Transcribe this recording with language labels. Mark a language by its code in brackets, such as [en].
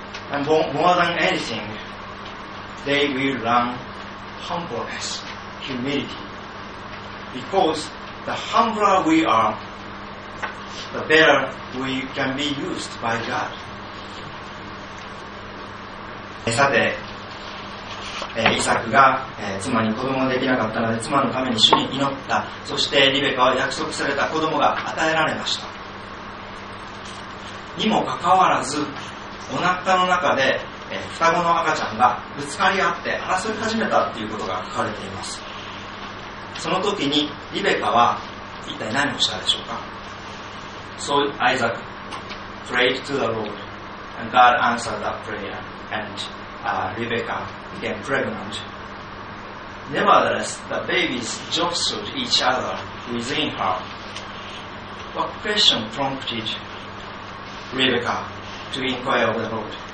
[en] And more than anything, they will learn humbleness. humility. Because the humbler we are, the better we can be used by God. [ja] さて、イサクが、妻に子供ができなかったので妻のために主に祈った。そしてリベカは約束された子供が与えられました。にもかかわらずお腹の中で、双子の赤ちゃんがぶつかり合って争い始めたということが書かれています。その時にリベカは一体何をしたでしょうか。 [en] So Isaac prayed to the Lord and God answered that prayerAnd Rebecca became pregnant. Nevertheless, the babies jostled each other within her. What question prompted Rebecca to inquire of the Lord?